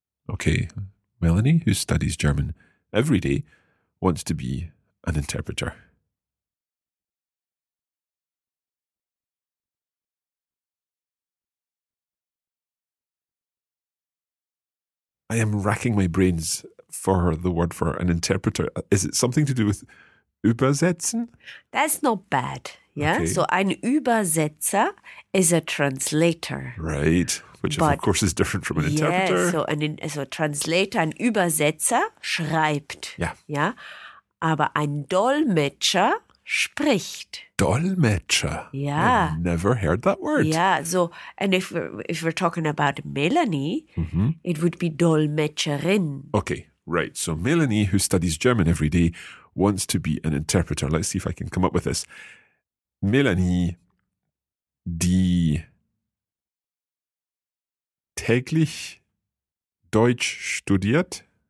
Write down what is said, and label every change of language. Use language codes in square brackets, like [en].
[en] Okay, Melanie, who studies German every day, wants to be an interpreter. I am racking my brains for the word for an interpreter. Is it something to do with übersetzen? That's not bad. Yeah, okay. So ein Übersetzer is a translator. Right, which of course is different from an interpreter. [de] Yeah, ein Übersetzer schreibt. Yeah. Ja, aber ein Dolmetscher spricht. Dolmetscher? [en] Yeah. I never heard that word. Yeah, so, and if we're talking about Melanie, mm-hmm. it would be Dolmetscherin. Okay, right, so Melanie, who studies German every day, wants to be an interpreter. Let's see if I can come up with this. [de] Melanie, die täglich Deutsch studiert,